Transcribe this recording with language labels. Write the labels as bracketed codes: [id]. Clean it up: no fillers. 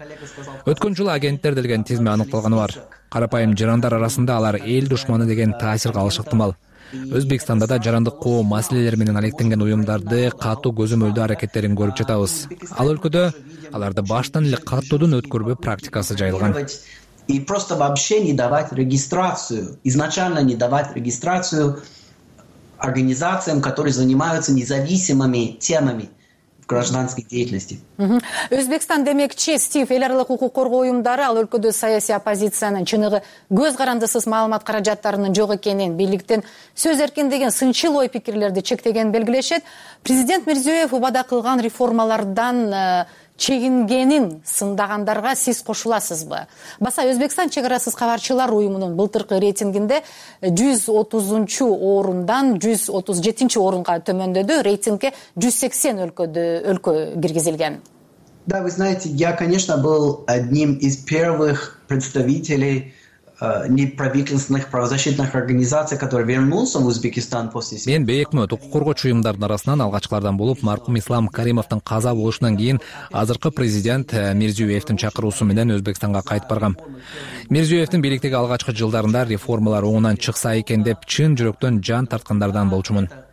[ky] Өткөн жылы агенттер делген тизме аныкталганы бар. Карапайым жарандар арасында алар эл душманы деген таасирге алышы ыктымал. Өзбекстанда да жарандык коо маселелери менен алектенген уюмдарды катуу көзөмөлдөө аракеттерин көрүп жатабыз. Ал өлкөдө аларды баштан эле каттоодон өткөрбөө практикасы жайылган. [ru] И просто вообще не давать регистрацию, изначально не давать регистрацию организациям, которые занимаются независимыми темами гражданской деятельности. [ky] Өзбекстан демекчи Стив, эл аралык укук коргоо уюмдары ал өлкөдө саясий оппозициянын чыныгы көз карандысыз маалымат каражаттарынын жок экенин, бийликтин сөз эркиндигин, сынчыл ой пикирлерди чектегенин белгилешет. Президент Мирзиёев убада кылган реформалардан чегингенин сындагандарга сиз кошуласызбы? Баса, Өзбекстан чек арасыз кабарчылар уюмунун былтыркы рейтингинде 130-чу орундан 137-чи орунга төмөндөдү. Рейтингке 180 өлкө киргизилген. [ru] Да, вы знаете, я, конечно, был одним из первых представителей неправительственных правозащитных организаций, которые вернулся в Узбекистан после смерти. [ky] Мен бейкмөт укук коргоочу уюмдардын арасынан алгачкылардан болуп, маркум Ислам Каримовдун каза болушунан кийин азыркы президент Мирзиёевдин чакыруусу менен Өзбекстанга кайтып баргам. Мирзиёевдин бийликтеги алгачкы жылдарында реформалар оңунан чыкса экен деп чын жүрөктөн жан тарткандардан болчумун.